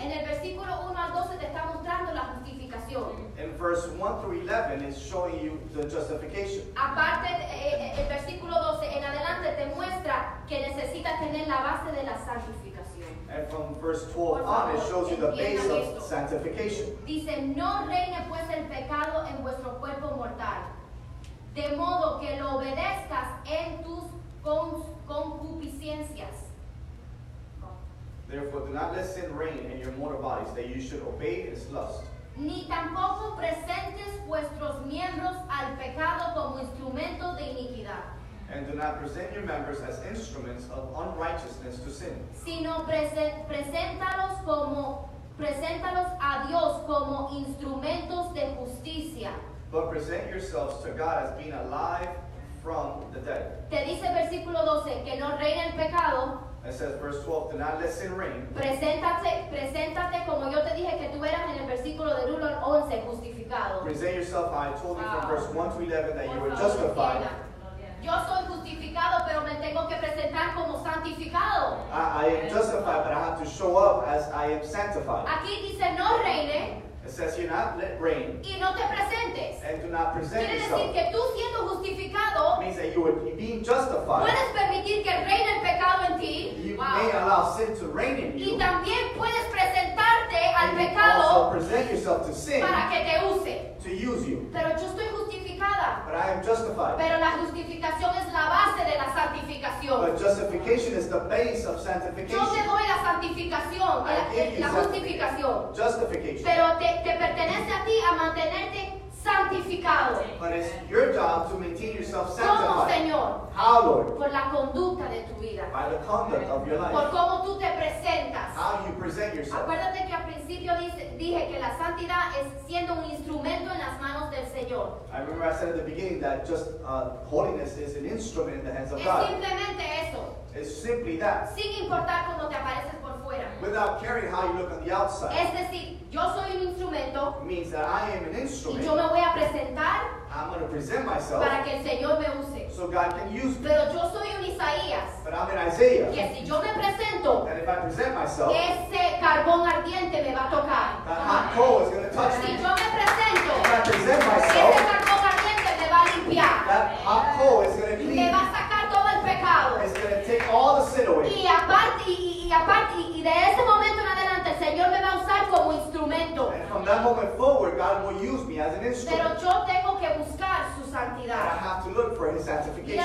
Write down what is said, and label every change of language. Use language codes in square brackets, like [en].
[es] En el versículo 1 al 12 te está mostrando la justificación. [en] In verse 1 through 11 is showing you the justification. [es] Aparte, el versículo 12 en adelante te muestra que necesitas tener la base de la santificación. [en] And from verse 12 on, it shows you the base of sanctification. [es] Dice, no reine pues el pecado en vuestro cuerpo mortal, de modo que lo obedezcas en tus concupiscencias. [en] Therefore, do not let sin reign in your mortal bodies, that you should obey its lust. [es] Ni tampoco presentes vuestros miembros al pecado como instrumento de iniquidad. [en] And do not present your members as instruments of unrighteousness to sin. [es] Sino preséntalos a Dios como instrumentos de justicia. [en] But present yourselves to God as being alive from the dead. [es] Te dice versículo 12, que no reine el pecado. [en] It says verse 12, do not let sin reign. [es] Preséntate como yo te dije que tú eras en el versículo del 1 al 11, justificado. [en] Present yourself how I told you from verse 1 to 11 that you were justified. [es] Yo soy justificado, pero me tengo que presentar como santificado. [en] I am justified, but I have to show up as I am sanctified. [es] Aquí dice no reine. [en] It says you not let reign. [es] Y no te presentes. [en] And do not present [es] quiere [en] yourself. [es] Quiere decir que tú siendo justificado. [en] Means that you are being justified. [es] Puedes permitir que reine el pecado en ti. [en] You may allow sin to reign in you. [es] Y también puedes presentarte [en] and [es] al pecado. [en] And also present yourself to sin. [es] Para que te use. [en] To use you. [es] Pero yo estoy justificada. [en] But I am justified. [es] Pero la justificación es la base de la santificación. [en] But justification is the base of sanctification. [es] Yo te doy la santificación, la justificación. [en] Justification. [es] Pero te pertenece a ti a mantenerte santificado. [en] But it's your job to maintain yourself sanctified. [es] ¿Cómo, Señor? [en] How, Lord? [es] Por la conducta de tu vida. [en] By the conduct of your life. [es] Por cómo tú te presentas. [en] How you present yourself. [es] Acuérdate que al principio dije que la santidad es siendo un instrumento en las manos del Señor. [en] I remember I said at the beginning that just holiness is an instrument in the hands of [es] es [en] God. [es] Es simplemente eso. [en] It's simply that. [es] Sin importar cómo te apareces por fuera. [en] Without caring how you look on the outside. [es] Es decir, yo soy un instrumento. [en] Means that I am an instrument. [es] Y yo me voy a presentar. [en] I'm going to present myself. [es] Para que el Señor me use. [en] So God can use me. [es] Pero yo soy un Isaías. [en] But I'm an Isaiah. [es] Que si yo me presento. [en] And if I present myself. [es] Ese carbón ardiente me va a tocar. [en] That hot coal is going to touch [es] si [en] me. [es] Si yo me presento. [en] If I present myself. [es] Ese carbón ardiente me va a limpiar. [en] That hot coal is going to clean. [es] Me va a sacar todo el pecado. [en] It's going to take all the sin away. [es] Y aparte, de ese momento en adelante, el Señor me va a usar como instrumento. [en] And from that moment forward, God will use me as an instrument. [es] Pero yo tengo que buscar su santidad. [en] And I have to look for his sanctification.